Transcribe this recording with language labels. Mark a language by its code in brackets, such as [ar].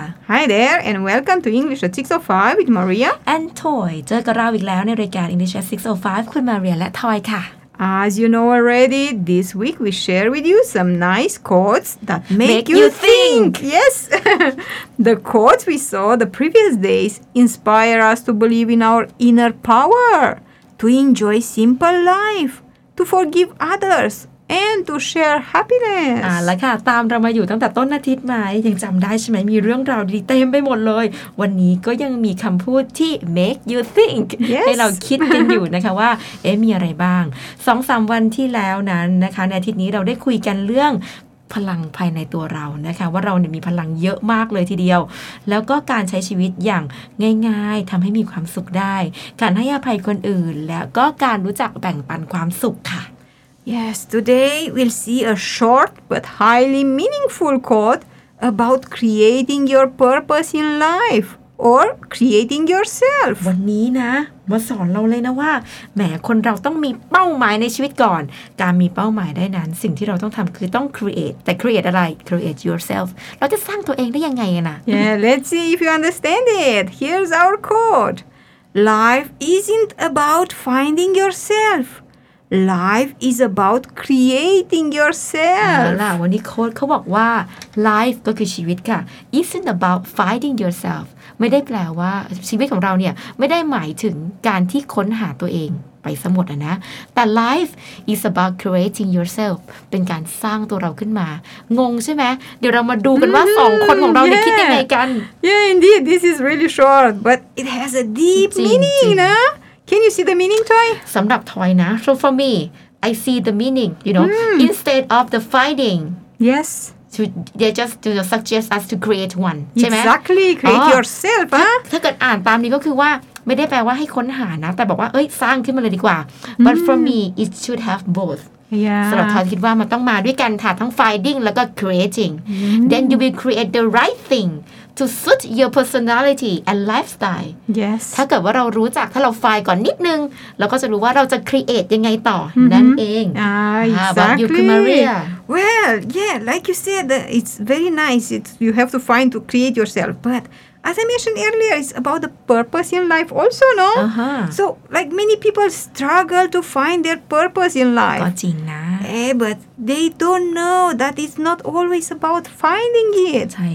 [en] Hi there, and welcome to English at 6:05 with Maria and Toy. [th] เจอกับเราอีกแล้วในรายการ English at 6:05 คุณ Maria และ Toy ค่ะ [en] As you know already, this week we share with you some nice quotes that make you think. Yes. The quotes we saw the previous days inspire us to believe in our inner power, to enjoy simple life, to forgive others, and to share happiness. [th] แล้วค่ะตามเรามาอยู่ตั้งแต่ต้นอาทิตย์มายังจำได้ใช่ไหมมีเรื่องราวดีเต็มไปหมดเลยวันนี้ก็ยังมีคำพูดที่ [en] make you think yes. [th] ให้เราคิดกันอยู่นะคะว่าเอ๊ะมีอะไรบ้าง 2-3 วันที่แล้วนั้นนะคะในอาทิตย์นี้เราได้คุยกันเรื่องพลังภายในตัวเรานะคะว่าเราเนี่ยมีพลังเยอะมากเลยทีเดียวแล้วก็การใช้ชีวิตอย่างง่ายๆทำให้มีความสุขได้การให้อภัยคนอื่นแล้วก็การรู้จักแบ่งปันความสุขค่ะ [en] Yes today we'll see a short but highly meaningful quote about creating your purpose in life or creating yourself [th] วันนี้นะมาสอนเราเลยนะว่าแหมคนเราต้องมีเป้าหมายในชีวิตก่อนการมีเป้าหมายได้นั้นสิ่งที่เราต้องทำคือต้อง create แต่ create อะไร [en] create yourself [th] เราจะสร้างตัวเองได้ยังไงนะ [en] Yeah let's see if you understand it here's our quote life isn't about finding yourselfLife is about creating yourself. [th] อ่าล่ะวันนี้โค้ชเขาบอกว่า life ก็คือชีวิตค่ะ [en] isn't about finding yourself [th] ไม่ได้แปลว่าชีวิตของเราเนี่ยไม่ได้หมายถึงการที่ค้นหาตัวเองไปสมดอ่ะนะแต่ [en] life is about creating yourself [th] เป็นการสร้างตัวเราขึ้นมางงใช่ไหมเดี๋ยวเรามาดูกันว่า2คนของเราเนี่ยคิดยังไงกัน [en] Yeah indeed this is really short but it has a deep meaning นะCan you see the meaning, Toy? [th] สำหรับ Toy นะ [en] So for me, I see the meaning, you know, instead of the fighting. Yes. They just to suggest us to create one. Exactly. Create yourself, [th] ถ้าเกิดอ่านตามนี้ก็คือว่าไม่ได้แปลว่าให้ค้นหานะแต่บอกว่าเอ้ยสร้างขึ้นมาเลยดีกว่า [en] But for me, it should have both. Yeah. [th] สำหรับ Toy คิดว่ามันต้องมาด้วยกันค่ะทั้ง fighting แล้วก็ creating. [en] Then you will create the right thing. To suit your personality and lifestyle. Yes. [th] ถ้าเกิดว่าเรารู้จักถ้าเราไฟก่อนนิดนึงเราก็จะรู้ว่าเราจะ create ยังไงต่อนั่นเอง [en] Exactly. About you, Maria. Well, yeah, like you said, it's very nice. It's, you have to find to create yourself. But as I mentioned earlier, it's about the purpose in life also, no? Uh-huh. So, like, many people struggle to find their purpose in life. But they don't know that it's not always about finding it.